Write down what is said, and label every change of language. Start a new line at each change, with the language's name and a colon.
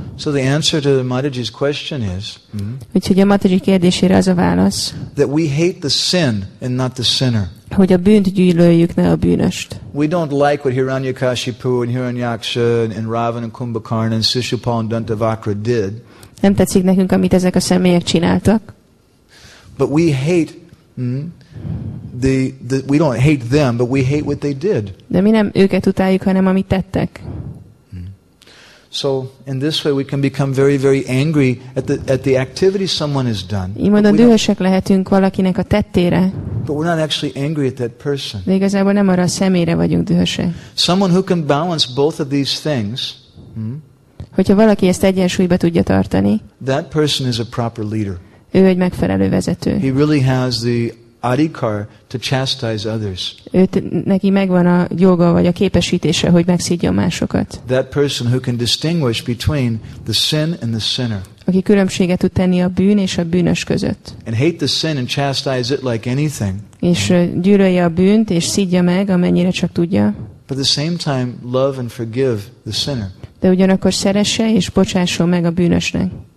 English: So the answer to the Mataji's question is,
Hungarian: úgyhogy a Mataji kérdésére az a válasz,
English: that we hate the sin and not the sinner.
Hungarian: Hogy a bűnt gyűlöljük, ne a bűnöst.
English: We don't like what Hiranyakashipu and Hiranyaksha and Ravana and Kumbhakarna and Sishupal and Dantavakra did.
Hungarian: Nem tetszik nekünk, amit ezek a személyek csináltak.
English: But we hate we don't hate them, but we hate what they did.
Hungarian: De mi nem őket utáljuk, hanem amit tettek.
English: So in this way we can become very, very angry at the activity someone has done.
Hungarian: Imádon dühösek lehetünk valakinek a tettére.
English: But we're not actually angry at that person.
Hungarian: De igazából nem arra a személyre vagyunk dühösek.
English: Someone who can balance both of these things.
Hungarian: Hogyha valaki ezt egyensúlyba tudja tartani.
English: That person is a proper leader.
Hungarian: Ő egy megfelelő vezető.
English: He really has the adhikar to chastise others.
Hungarian: Őt, neki megvan a joga vagy a képesítése, hogy megszígyen másokat.
English: That person who can distinguish between the sin and the sinner.
Hungarian: Aki különbséget tud tenni a bűn és a bűnös között.
English: And hate the sin and chastise it like anything.
Hungarian: És gyűlölje a bűnt és szígyen meg, amennyire csak tudja.
English: But at the same time, love and forgive the sinner.
Hungarian: De ugyanakkor szeresse és bocsásson meg a bűnösnek.